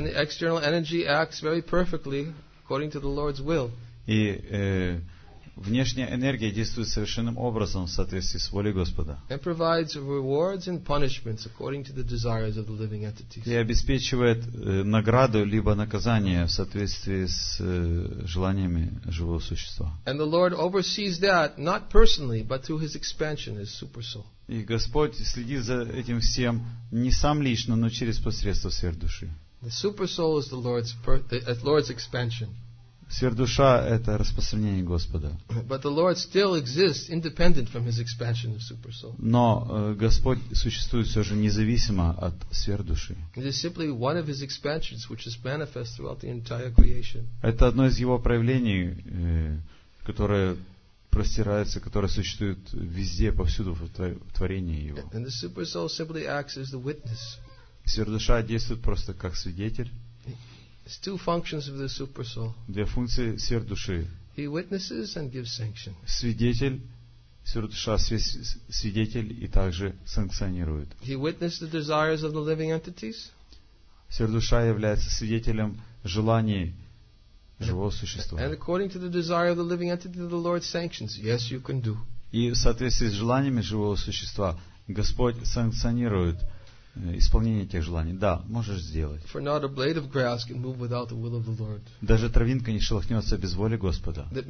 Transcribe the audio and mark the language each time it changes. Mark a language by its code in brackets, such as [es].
[en] And the external energy acts very perfectly according to the Lord's will. [ru] И внешняя энергия действует совершенным образом в соответствии с волей Господа. [en] And provides rewards and punishments according to the desires of the living entities. [ru] И обеспечивает награду либо наказание в соответствии с желаниями живого существа. [en] And the Lord oversees that not personally, but through His expansion, His supersoul. [ru] И Господь следит за этим всем не сам лично, но через посредство сверхдуши. [en] The supersoul is the Lord's expansion. [ru] Сверхдуша — это распространение Господа. [en] But the Lord still exists independent from His expansion of supersoul. [ru] Но Господь существует все же независимо от сверхдуши. [en] It is simply one of His expansions, which is manifest throughout the entire creation. [ru] Это одно из Его проявлений, которое простирается, которое существует везде, повсюду в творении Его. [en] And the supersoul simply acts as the witness. [ru] Сверхдуша действует просто как свидетель. [en] It's two functions of the supersoul. [ru] Две функции сверхдуши. [en] He witnesses and gives sanction. [ru] Свидетель, сверхдуша свидетель и также санкционирует. [en] He witnesses the desires of the living entities. [ru] Сверхдуша является свидетелем желаний живого существа. [en] And according to the desire of the living entity, the Lord sanctions. Yes, you can do. [ru] И в соответствии с желаниями живого существа Господь санкционирует исполнение тех желаний. Да, можешь сделать. Даже травинка не шелохнется без воли Господа.